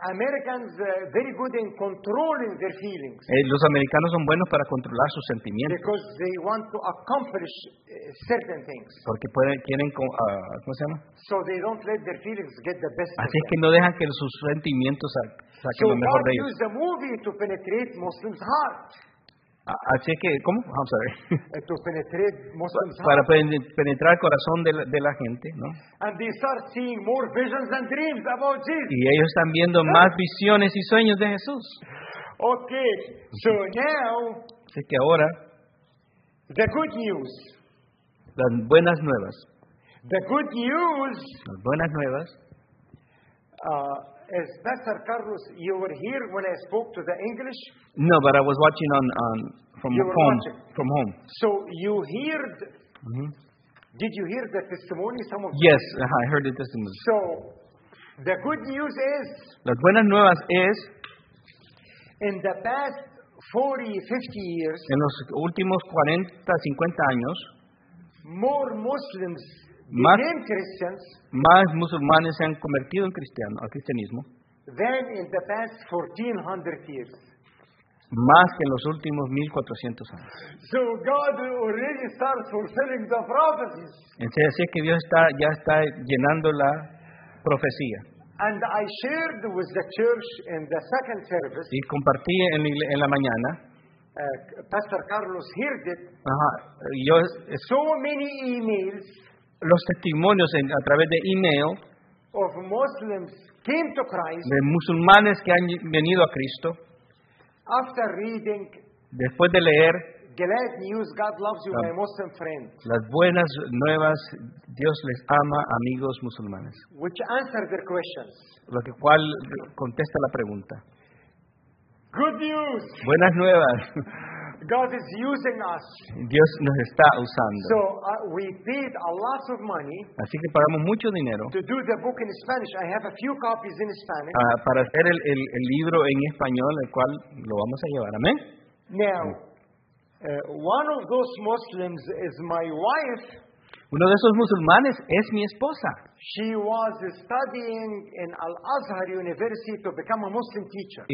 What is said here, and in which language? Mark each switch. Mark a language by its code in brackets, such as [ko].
[en] Americans very good in controlling their feelings. [es] Los americanos son buenos para controlar sus sentimientos. [en] Because they want to accomplish certain things. [es] Porque quieren ¿cómo se llama? [en] So they don't let their feelings get the best. [es] Así es que no dejan que sus sentimientos saquen lo mejor de ellos. [en] So God used the movie to penetrate Muslims' hearts. [es] Así que, ¿cómo? [en] I'm sorry. To penetrate Muslims. [es] Para penetrar el corazón de la gente, ¿no? [en] And they start seeing more visions and dreams about Jesus. [es] Y ellos están viendo más visiones y sueños de Jesús. [en] Okay, so now. [es] Así que ahora. [en] The good news. [es] Las buenas nuevas. [en] The good news. [es] Las buenas nuevas. [en] Is Pastor Carlos, you were here when I spoke to the English? No, but I was watching from home. So you heard? Mm-hmm. Did you hear the testimony? Some of yes, I heard the testimony. So the good news is. [es] Las buenas nuevas es. [en] In the past 40, 50 years. [es] En los últimos 40, 50 años. [en] More Muslims. [es] Más musulmanes se han convertido en cristianos, al cristianismo. [en] Then in the past 1400 years. [es] Más que en los últimos 1400 años. [en] So God already starts fulfilling the prophecies. [es] Entonces así es que Dios ya está llenando la profecía. [en] And I shared with the church in the second service. [es] Y compartí en la mañana. [en] Pastor Carlos heard it. [es] Ajá. Yo [en] so many emails. [es] Los testimonios a través de email [en] of Muslims came to Christ, [es] de musulmanes que han venido a Cristo [en] after reading, [es] después de leer [en] glad news, God loves you, my Muslim friend, [es] las buenas nuevas, Dios les ama, amigos musulmanes, [en] which answer their questions. [es] Lo que cual contesta la pregunta. [en] Good news. [es] Buenas nuevas. [en] God is using us. [es] Dios nos está usando. [en] So we paid a lot of money. [es] Así que pagamos mucho dinero. [en] To do the book in Spanish, I have a few copies in Spanish. [es] Para hacer el libro en español, el cual lo vamos a llevar. Amén. [en] Now, one of those Muslims is my wife. [es] Uno de esos musulmanes es mi esposa. [en] She was studying in Al Azhar University to become a Muslim teacher.